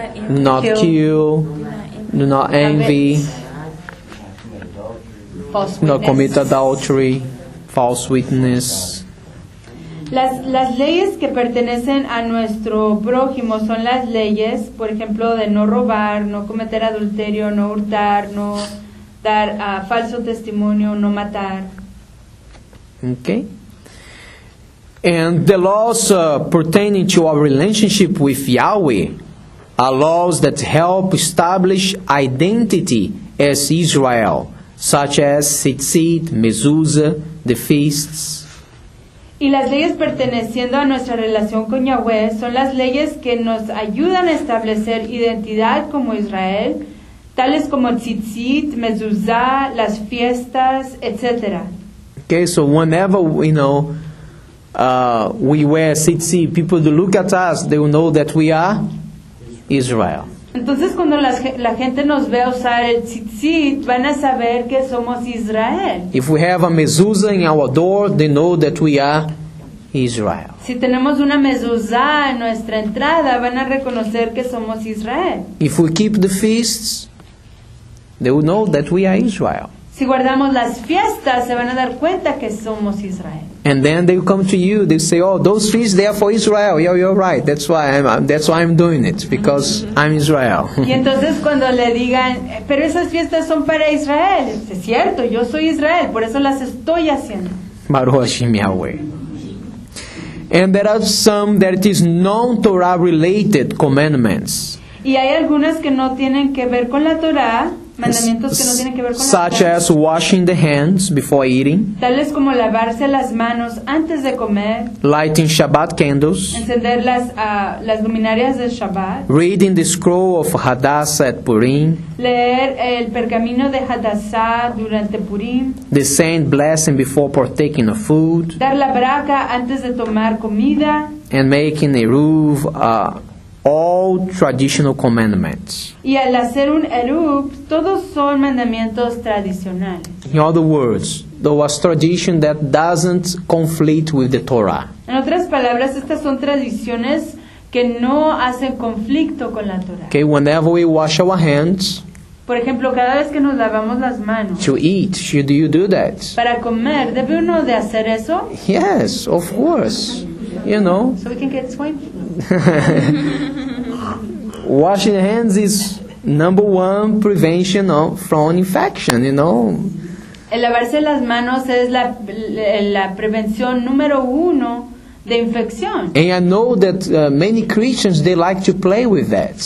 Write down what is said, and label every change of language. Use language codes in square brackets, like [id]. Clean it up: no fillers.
[en] Not kill, do not envy, not commit adultery, false witness. [es] Las leyes que pertenecen a nuestro prójimo son las leyes, por ejemplo, de no robar, no cometer adulterio, no hurtar, no dar a falso testimonio, no matar. [en] Okay. And the laws pertaining to our relationship with Yahweh are laws that help establish identity as Israel, such as tzitzit, mezuzah, the feasts. [es] Y las leyes perteneciendo a nuestra relación con Yahweh son las leyes que nos ayudan a establecer identidad como Israel, tales como tzitzit, mezuzah, las fiestas, etc. [en] Okay, so whenever, you know, we wear tzitzit, people look at us, they will know that we are Israel. [es] Entonces cuando la gente nos ve usar el tzitzit, van a saber que somos Israel. [en] If we have a mezuzah in our door, they know that we are Israel. [es] Si tenemos una mezuzah en nuestra entrada, van a reconocer que somos Israel. [en] If we keep the feasts, they will know that we are Israel. [es] Si guardamos las fiestas, se van a dar cuenta que somos Israel. [en] And then they come to you, they say, oh, those feasts, they are for Israel. Yeah, you're right, that's why I'm doing it, because I'm Israel. [es] Y entonces cuando le digan, pero esas fiestas son para Israel, es cierto, yo soy Israel, por eso las estoy haciendo. [he] Baruch Hashem Yahweh. [en] And there are some that is non-Torah related commandments. [es] Y hay algunas que no tienen que ver con la Torah. [en] Such as washing the hands before eating. [es] Tales como lavarse las manos antes de comer. [en] Lighting Shabbat candles. [es] Encender las luminarias del Shabbat. [en] Reading the scroll of Hadassah at Purim. [es] Leer el pergamino de Hadassah durante Purim. [en] The saint blessing before partaking of food. [es] Dar la braca antes de tomar comida. [en] And making a roof. All traditional commandments. [es] Y al hacer un eruv, todos son mandamientos tradicionales. [en] In other words, there was tradition that doesn't conflict with the Torah. [es] En otras palabras, estas son tradiciones que no hacen conflicto con la Torah. [en] Okay, whenever we wash our hands. [es] Por ejemplo, cada vez que nos lavamos las manos. [en] To eat, should you do that? [es] Para comer, ¿debe uno de hacer eso? [en] Yes, of course. You know. So we can get swine flu. Washing hands is number one prevention of from infection, you know. [es] El lavarse las manos es la prevención número uno de infección. [en] And I know that many Christians, they like to play with that.